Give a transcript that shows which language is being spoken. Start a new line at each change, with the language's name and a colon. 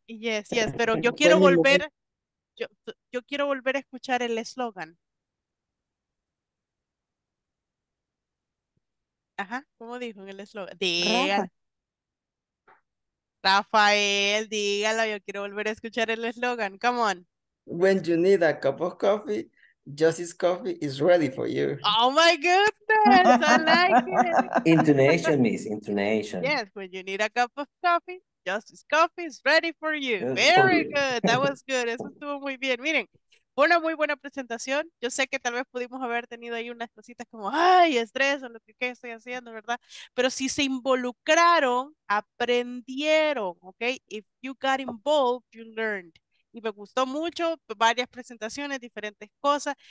English: Yes, yes,
Spanish: pero yo quiero volver, yo quiero volver a escuchar el eslogan. Ajá, ¿cómo dijo el eslogan? Rafael, dígalo, yo quiero volver a escuchar el eslogan,
English: come on. When you need a cup of coffee, Josie's Coffee is ready for you. Oh my goodness, I like it. Intonation, miss, intonation. Yes, when you need a cup of coffee, Josie's Coffee is ready for you. Yes, very for good, you. That was good,
Spanish: eso estuvo muy bien. Miren, fue una muy buena presentación. Yo sé que tal vez pudimos haber tenido ahí unas cositas como, ay, estrés o lo que estoy haciendo, ¿verdad? Pero si se involucraron, aprendieron, ¿ok?
English: If you got involved, you learned.
Spanish: Y me gustó mucho, varias presentaciones, diferentes cosas.